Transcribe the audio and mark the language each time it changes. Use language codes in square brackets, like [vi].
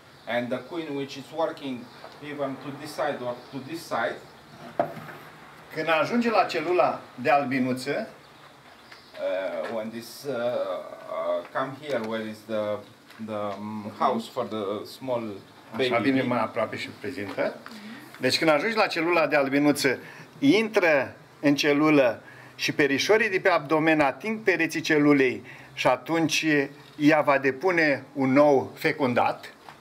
[en] and the queen which is working even to this side or to this side, [ro] când ajunge la celula de albinuță, [en] when this come here where is the house for the small baby. [ro] Așa vine mai aproape și prezintă. Deci când ajungi la celula de albinuță, intră în celulă și perișorii de pe abdomen ating pereții celulei și atunci ea va depune un nou fecundat.